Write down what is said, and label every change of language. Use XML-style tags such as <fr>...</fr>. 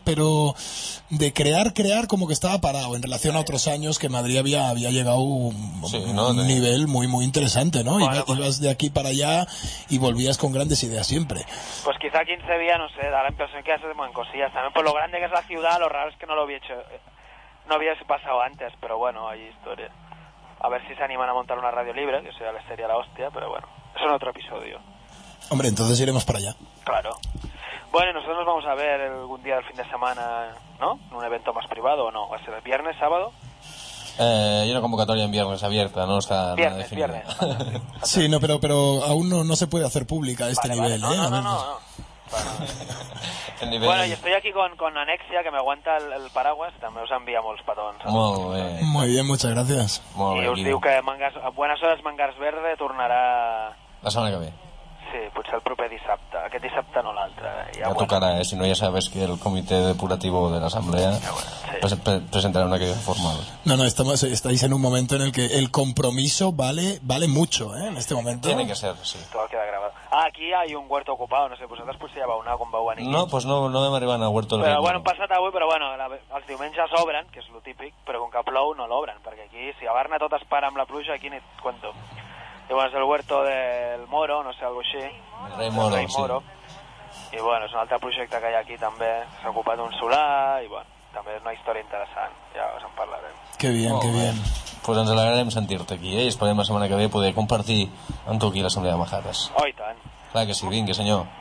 <es>Pero de crear como que estaba parado en relación a otros años que Madrid había llegado un nivel muy, muy interesante, ¿no? Bueno, ibas de aquí para allá y volvías con grandes ideas siempre. Pues quizá 15 días, no sé, da la impresión que haces en cosillas. También por lo grande que es la ciudad, lo raro es que no lo había hecho...</es> <ca>No havies passat antes, però bueno,</ca> <es>hay historia. A ver si</es> <ca>s'animen a montar una ràdio libre,</ca> <es>que sería seria la hostia,</es> <ca>però bueno, és un altre episodi.</ca> <es>Hombre, entonces iremos para allá. Claro. Bueno, nosotros nos vamos a ver algún día del fin de semana, ¿no? En un evento más privado o no, va a ser el viernes, sábado. Hay una convocatoria en viernes abierta, no está viernes, nada definido. Viernes. Sí, no, pero aún no se puede hacer pública este nivel, ¿eh? No. Bueno, nivell... bueno, y estoy aquí con Anexia, que me aguanta el paraguas,</es> <ca>també us envia molts petons. Molt bé.</ca> <es>Muy bien, muchas gracias.</es> <ca>Molt bé, us diu que Mangas, Buenas Horas Mangas Verde tornarà... La setmana que ve. Sí, potser el proper dissabte. Aquest dissabte no l'altre. Ja tocarà, bueno. Si no ja sabes que el comitè depurativo de l'assemblea presentarà una queja formal.</ca> <es>No, no, estáis en un momento en el que el compromiso vale mucho, ¿eh? En este momento. Tiene que ser, sí. Todo queda grabado. Ah, aquí hay un huerto ocupado, no sé,</es> <ca>vosaltres potser ja vau anar com vau venir. No, pues no vam arribar a huerto. Però bueno, hem passat avui, però bueno, els diumenges obren, que és lo típic, però com que plou no l'obren, perquè aquí si a Barna tot es para amb la pluja, aquí ni et cuento.</ca> <es>Y bueno, es el huerto del Moro, no sé, algo así. El Rey Moro.</es> <ca>Sí. Y bueno, es un altre projecte que hi ha aquí també. S'ha ocupat un solar i bueno, també és una història interessant. Ja us en parlarem.</ca> <es>Que bien, que bien.</es> <ca>Pues ens alegrarem sentir-te aquí, eh? I esperem la setmana que ve poder compartir amb tu aquí l'Assemblea de Majadas. Oh, i tant. Clar que sí, vinga, senyor.</ca>